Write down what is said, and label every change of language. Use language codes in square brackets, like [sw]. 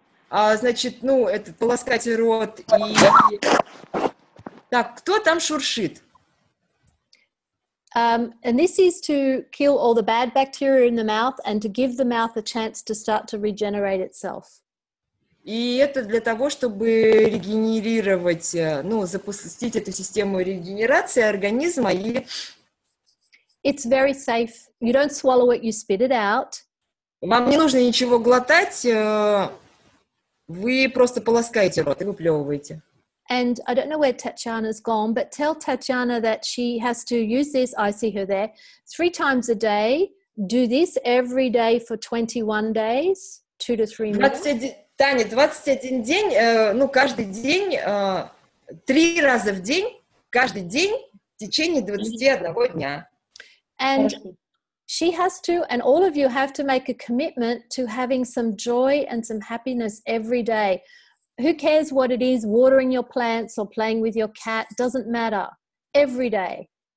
[ru] Значит, ну, это полоскать рот и... Так, кто там шуршит? [en] And this is to kill all the bad bacteria in the mouth and to give the mouth a chance to start to regenerate itself. [ru] И это для того, чтобы регенерировать, ну, запустить эту систему регенерации организма и... [en] It's very safe. You don't swallow it, you spit it out. [ru] Вам не нужно ничего глотать, вы просто полоскаете рот и выплевываете. [en] And I don't know where Tatiana's gone, but tell Tatiana that she has to use this, I see her there, 3 times a day, do this every day for 21 days, 2 to 3 minutes. [ru] Таня, 21 день, ну, каждый день, 3 раза в день, каждый день в течение 21 дня. [en] And she has to, and all of you have to make a commitment to having some joy and some happiness every day. Who cares what it is, watering your plants or playing with your cat, doesn't matter. Every day.